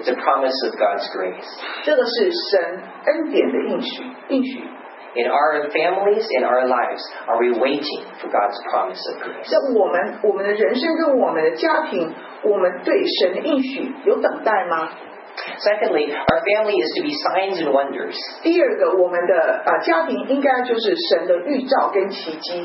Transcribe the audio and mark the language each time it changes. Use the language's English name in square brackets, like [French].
[English] It's a promise of God's grace. [Chinese] 这个是神恩典的应许。 [English] In our families, in our lives, are we waiting for God's promise of grace? [Chinese] 在我们的人生跟我们的家庭，我们对神的应许有等待吗？ [English] Secondly, our family is to be signs and wonders. [Chinese] 第二个，我们的家庭应该就是神的预兆跟奇迹。